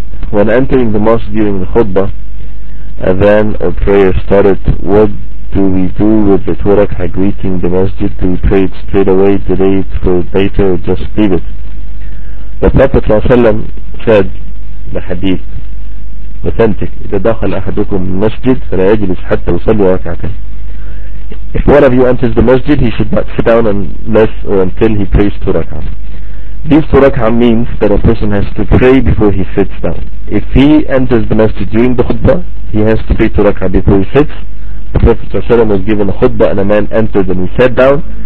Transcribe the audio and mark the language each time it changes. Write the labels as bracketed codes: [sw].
[en] When entering the mosque during the khutbah, adhan or prayer started, what do we do with the Turakha greeting the masjid? Do we pray it straight away, delay it for later, or just leave it? The Prophet ﷺ said, the hadith, authentic, [ar] إِذَا دَخَلْ أَحَدُكُمْ مَسْجِدْ فَلَا يَجْلِسْ حَتَّى يُصَلِّي رَكْعَتَيْنِ. [en] If one of you enters the masjid, he should not sit down unless or until he prays Turakha. This Turakha means that a person has to pray before he sits down. If he enters the masjid during the khutbah, he has to pray Turakha before he sits. The Prophet ﷺ was given a khutbah and a man entered and he sat down.